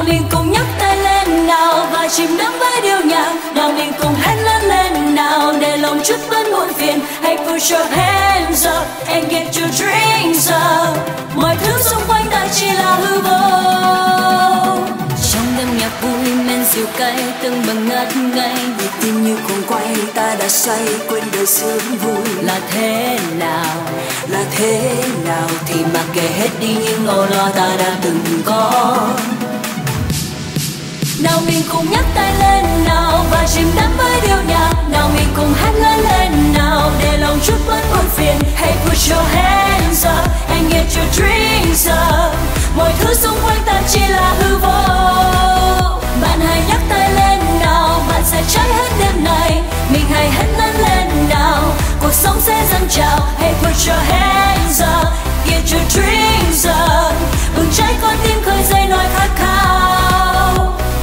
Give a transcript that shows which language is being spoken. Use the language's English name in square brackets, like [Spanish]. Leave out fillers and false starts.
[Vietnamese] cùng nhấc tay lên nào và chìm đắm với điệu nhạc. Nào mình cùng hát lớn lên nào để lòng chút bớt muộn phiền. Hãy [English] put your hands up and get your drinks up. [Vietnamese] Mọi thứ xung quanh ta chỉ là hư vô. Trong đêm nhạc vui men rượu cay tưng bừng ngất ngây. Nhịp tim như cuồng quay ta đã say quên đời sướng vui. Là thế nào? Là thế nào? Thì mặc kệ hết đi những âu lo ta đã từng có. Nào mình cùng nhấc tay lên nào và chìm đắm với điệu nhạc. Nào mình cùng hát lớn lên nào để lòng chút bớt buồn phiền. [English] Hey put your hands up and get your drinks up. [Vietnamese] Mọi thứ xung quanh ta chỉ là hư vô. Bạn hãy nhấc tay lên nào, bạn sẽ cháy hết đêm này. Mình hãy hát lớn lên nào, cuộc sống sẽ dâng trào. [English] Hey put your hands up, get your drinks up. [Vietnamese] Bừng cháy con tim khơi dậy nỗi khát khao.